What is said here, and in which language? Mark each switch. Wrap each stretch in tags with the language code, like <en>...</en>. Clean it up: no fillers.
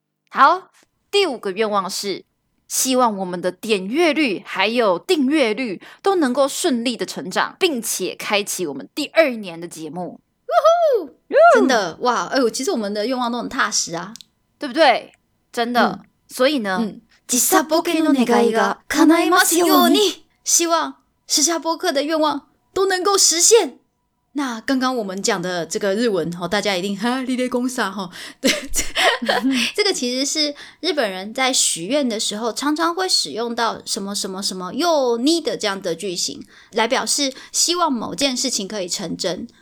<zh>好，第五个愿望是，希望我们的点阅率还有订阅率都能够顺利的成长，并且开启我们第二年的节目。真的哇，哎呦，其实我们的愿望都很踏实啊，对不对？真的。所以呢，</zh> <ja>時差播客の願いが叶いますように。</ja> <zh>希望時差播客的愿望都能够实现。那刚刚我们讲的这个日文，大家一定哈，你在说啥，这个其实是日本人在许愿的时候常常会使用到什么什么什么又你的这样的句型，来表示希望某件事情可以成真。</zh>